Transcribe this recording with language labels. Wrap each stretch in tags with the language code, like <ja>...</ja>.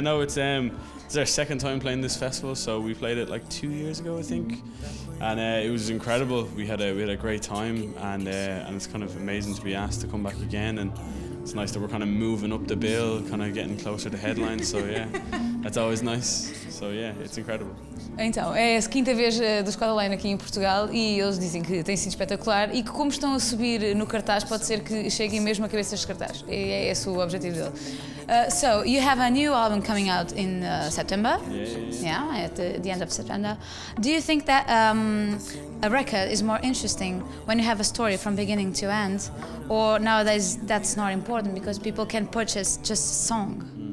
<en>No, it's our second time playing this festival. So we played it like 2 years ago, I think, and it was incredible. We had a great time, and it's kind of amazing to be asked to come back again. And it's nice that we're kind of moving up the bill, kind of getting closer to headlines. So yeah, that's always nice. So yeah, it's incredible.</en> <pt>Então, é a quinta vez do Squad Line aqui em Portugal e eles dizem que tem sido espetacular e que como estão a subir no cartaz, pode ser que cheguem mesmo a cabeça dos cartazes. É esse o objetivo dele. So,</pt> <en>you have a new album coming out in September. Yeah, at the end of September. Do you think that a record is more interesting when you have a story from beginning to end, or nowadays that's not important because people can purchase just a song?</en>